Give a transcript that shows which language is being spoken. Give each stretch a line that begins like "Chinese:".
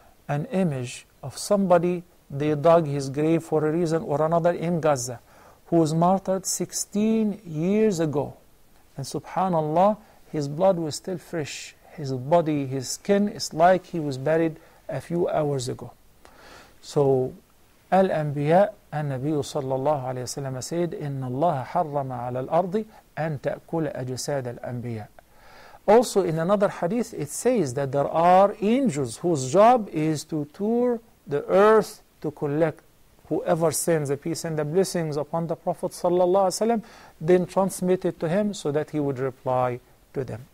English: an image of somebody they dug his grave for a reason or another in Gaza, who was martyred 16 years ago. And subhanallah, his blood was still fresh. His body, his skin, is like he was buried a few hours ago.
Arabic: So, Al-Anbiya, النبي صلى الله عليه وسلم said, إن الله حرم على الأرض أن تأكل أجساد الأنبياء.
English: Also, in another hadith, it says that there are angels whose job is to tour the earth to collect whoever sends the peace and the blessings upon the Prophet صلى الله عليه وسلم, then transmit it to him so that he would reply to them.